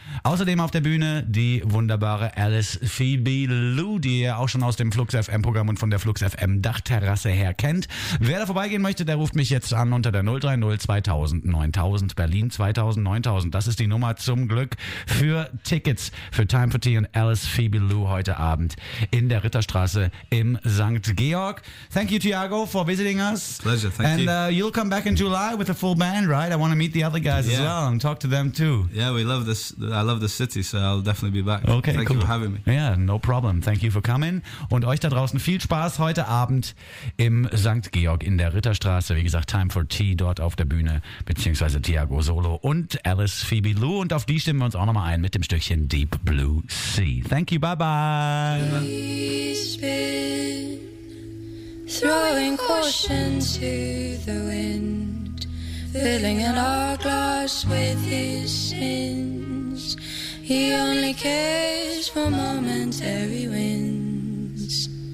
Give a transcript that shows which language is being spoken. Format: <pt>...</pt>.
<de>Außerdem auf der Bühne die wunderbare Alice Phoebe Lou, die ihr auch schon aus dem Flux FM Programm und von der Flux FM Dachterrasse her kennt. Wer da vorbeigehen möchte, der ruft mich jetzt an unter der 030 2000 9000 Berlin 2000 9000. Das ist die Nummer zum Glück für Tickets für Time for Tea und Alice Phoebe Lou heute Abend in der Ritterstraße im St.</de> <en>Georg. Thank you, Thiago, for visiting us. Pleasure, thank and, you. And you'll come back in July with a full band, right? I want to meet the other guys as well and talk to them too. Yeah, we love this. I love the city, so I'll definitely be back. Okay, thank cool. you for having me. Yeah, no problem. Thank you for coming.</en> <de>Und euch da draußen viel Spaß heute Abend im St. Georg in der Ritterstraße. Wie gesagt, Time for Tea dort auf der Bühne, beziehungsweise Thiago Solo und Alice Phoebe Lou. Und auf die stimmen wir uns auch nochmal ein mit dem Stückchen Deep Blue Sea.</de> <en>Thank you, bye-bye. He's been throwing caution to the wind, filling an hourglass with his sins. He only cares for momentary wins.</en>